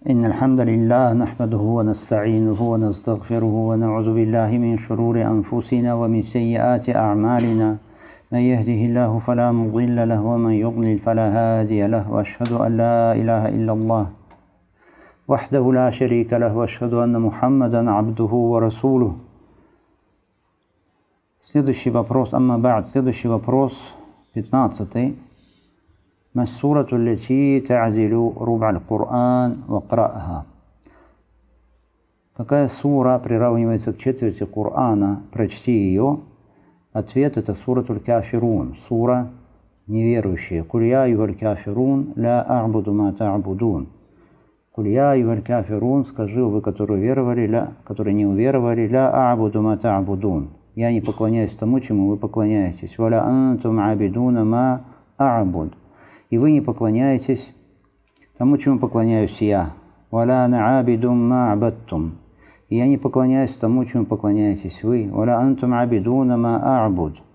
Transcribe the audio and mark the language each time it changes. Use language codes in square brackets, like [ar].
[ar] إن الحمد لله نحمده ونستعينه ونستغفره ونعوذ بالله من شرور أنفسنا ومن سيئات أعمالنا من يهده الله فلا مضل له ومن يضلل فلا هادي له وأشهد أن لا إله إلا الله وحده لا شريك له وأشهد أن محمدا عبده ورسوله. [ru] Следующий вопрос, [ar] أما بعد, [ru] следующий вопрос, 15-й. [ar] ما السورة التي تعدل ربع القرآن وقرأها؟ [ru] Какая сура приравнивается к четверти Корана? Прочти ее. Ответ: это сура Аль-Кафирун, сура неверующие. [ar] قُلْ يَا أَيُّهَا الْكَافِرُونَ لَا أَعْبُدُ مَا تَعْبُدُونَ. قُلْ يَا أَيُّهَا الْكَافِرُونَ, [ru] скажи, вы, которые веровали, которые не уверовали, [ar] لَا أَعْبُدُ مَا تَعْبُدُونَ. [ru] Я не поклоняюсь тому, чему вы поклоняетесь. [ar] وَلَا أَنْتُمْ عَبِدُونَ مَا أَعْبُدُ. [ru] И вы не поклоняетесь тому, чему поклоняюсь я. [ar] وَلَا نَعَابِدُمْ مَا عَبَدْتُمْ. [ru] И я не поклоняюсь тому, чему поклоняетесь вы. [ar] وَلَا أَنْتُمْ عَبِدُونَ مَا أَعْبُدُ.